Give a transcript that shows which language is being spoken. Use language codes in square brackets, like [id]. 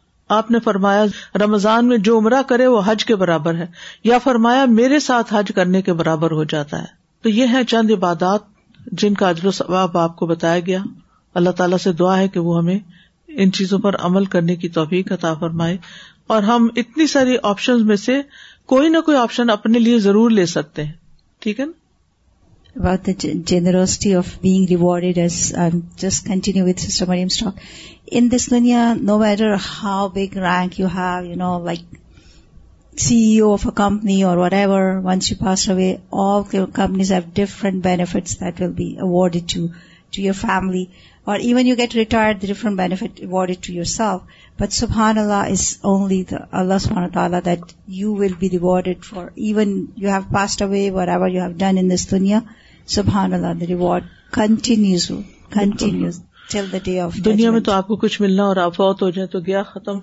[ur] آپ نے فرمایا رمضان میں جو عمرہ کرے وہ حج کے برابر ہے، یا فرمایا میرے ساتھ حج کرنے کے برابر ہو جاتا ہے. تو یہ ہیں چند عبادات جن کا اجر و ثواب آپ کو بتایا گیا. اللہ تعالیٰ سے دعا ہے کہ وہ ہمیں ان چیزوں پر عمل کرنے کی توفیق عطا فرمائے، اور ہم اتنی ساری آپشنز میں سے کوئی نہ کوئی آپشن اپنے لیے ضرور لے سکتے ہیں. ٹھیک ہے نا. [en] About the generosity of being rewarded, as I'm just continue with Sister Mariam's talk. In this dunya, no matter how big rank you have, you know, like CEO of a company or whatever, once you pass away, all the companies have different benefits that will be awarded to your family. Or even you get retired, the different benefit awarded to yourself. But subhanAllah, is only the Allah subhanahu wa ta'ala that you will be rewarded for. Even you have passed away, whatever you have done in this dunya, subhanAllah, the reward continues till the day of judgment. [ur] دنیا میں تو آپ کو کچھ ملنا اور آپ فوت ہو جائیں تو گیا ختم